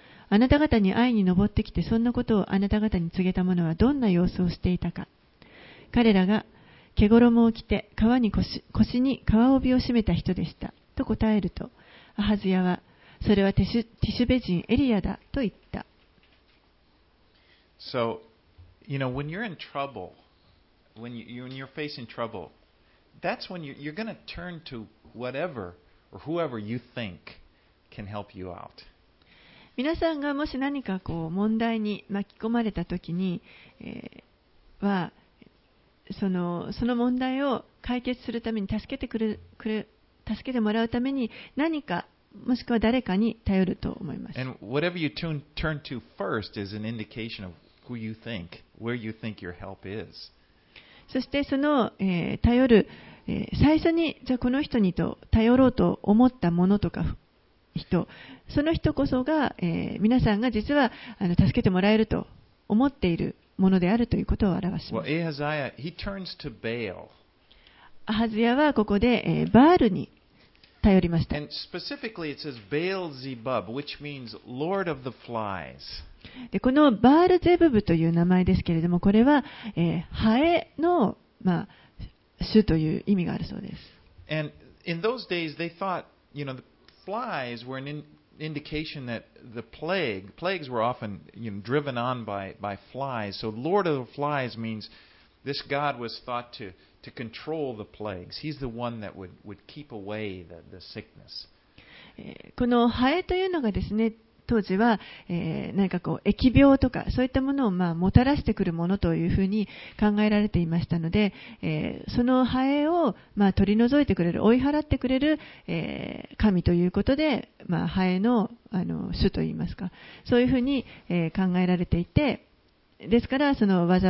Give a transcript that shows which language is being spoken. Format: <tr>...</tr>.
<ja>あなた方に会いに登ってきてそんなことをあなた方に告げた者はどんな様子をしていたか。彼らが、毛衣を着て腰に革帯を締めた人でしたと答えると、アハズヤはそれはティシュベ人エリアだと言った。</ja> <en>So, you know, when you're in trouble, when you're facing trouble, that's when you're going to turn to whatever or whoever you think can help you out.</en> <ja>皆さんがもし何かこう問題に巻き込まれたときには、その問題を解決するために助けてもらうために何か、もしくは誰かに頼ると思います。</ja> <en>And whatever you turn to first is an indication of who you think, where you think your help is.</en> <ja>そしてその、頼る、最初にじゃあこの人にと頼ろうと思ったものとか、その人こそが、皆さんが実は助けてもらえると思っているものであるということを表します。</ja> <en>Well, Ahaziah, he turns to Baal.</en> <ja>アハズヤはここで、バールに頼りました。</ja> <en>And specifically it says Baal-zebub, which means Lord of the flies.</en> <ja>で、このバールゼブブという名前ですけれども、これは、ハエの、まあ、主という意味があるそうです。</ja> <en>And in those days they thought, you know,flies were an indication that the plagues were often, you know, driven on by flies. So Lord of the flies means this god was thought to control the plagues. He's the one that would keep away the sickness.</en> <ja>このハエというのがですね、当時は、何かこう疫病とかそういったものを、まあ、もたらしてくるものというふうに考えられていましたので、そのハエを、まあ、取り除いてくれる、追い払ってくれる、神ということで、まあ、ハエの、主といいますか、そういうふうに、考えられていて、ですからその</ja>